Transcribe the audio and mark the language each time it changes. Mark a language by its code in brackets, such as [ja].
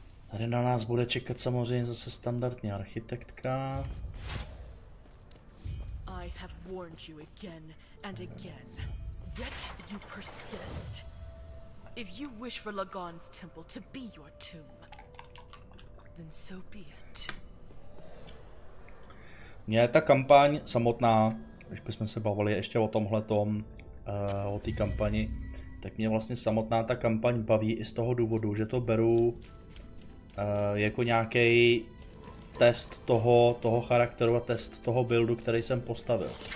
[cs] Tady na nás bude čekat samozřejmě zase standardní architektka. [en] I have warned you again and again. Yet you persist. If you wish for Lagan's temple to be your tomb, then so be it. [cs] Mě ta kampaň samotná, když bychom se bavili ještě o tomhle tom, o té kampani, tak mě vlastně samotná ta kampaň baví i z toho důvodu, že to beru jako nějaký test toho charakteru a test toho buildu, který jsem postavil.